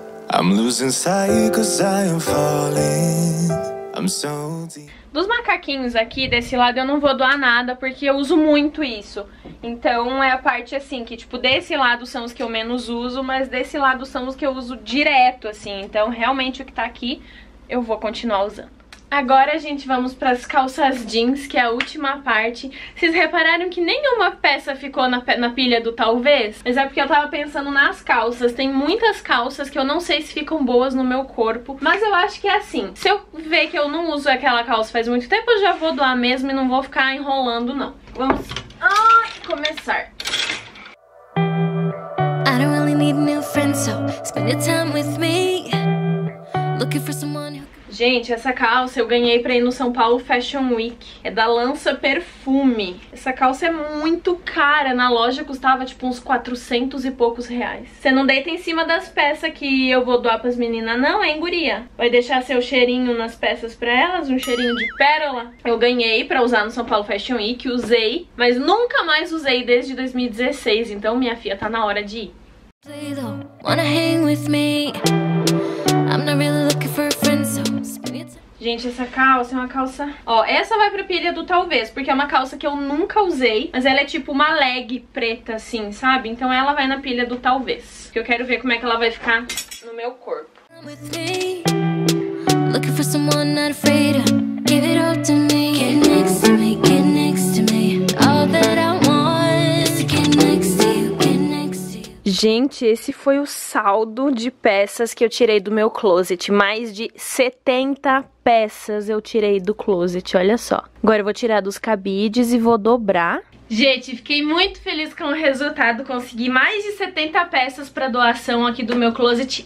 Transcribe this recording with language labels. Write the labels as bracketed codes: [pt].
[en] I'm losing sight 'cause I am falling. I'm so deep. [pt] Dos macaquinhos aqui, desse lado, eu não vou doar nada, porque eu uso muito isso. Então é a parte assim, que tipo, desse lado são os que eu menos uso, mas desse lado são os que eu uso direto, assim. Então realmente o que tá aqui, eu vou continuar usando. Agora a gente vamos para as calças jeans, que é a última parte. Vocês repararam que nenhuma peça ficou na pilha do talvez? Mas é porque eu tava pensando nas calças. Tem muitas calças que eu não sei se ficam boas no meu corpo. Mas eu acho que é assim. Se eu ver que eu não uso aquela calça faz muito tempo, eu já vou doar mesmo e não vou ficar enrolando, não. Vamos começar. [en] I don't really need new friends, so spend your time with me. Looking for someone who... [pt] Gente, essa calça eu ganhei pra ir no São Paulo Fashion Week. É da Lança Perfume. Essa calça é muito cara. Na loja custava tipo uns 400 e poucos reais. Você não deita em cima das peças que eu vou doar pras meninas, não, hein, guria? Vai deixar seu cheirinho nas peças pra elas? Um cheirinho de pérola? Eu ganhei pra usar no São Paulo Fashion Week, usei. Mas nunca mais usei desde 2016. Então, minha filha, tá na hora de ir. [en] Wanna hang with me? I'm not really looking for a friend, so... [pt] Gente, essa calça é uma calça... Ó, essa vai pra pilha do talvez, porque é uma calça que eu nunca usei. Mas ela é tipo uma leg preta, assim, sabe? Então ela vai na pilha do talvez. Que eu quero ver como é que ela vai ficar no meu corpo. [en] Looking for someone not afraid of. Give it all to me. Get next to me, get next to me. All that I want is to get next to you. [pt] Gente, esse foi o saldo de peças que eu tirei do meu closet. Mais de 70 peças eu tirei do closet, olha só. Agora eu vou tirar dos cabides e vou dobrar. Gente, fiquei muito feliz com o resultado. Consegui mais de 70 peças para doação aqui do meu closet.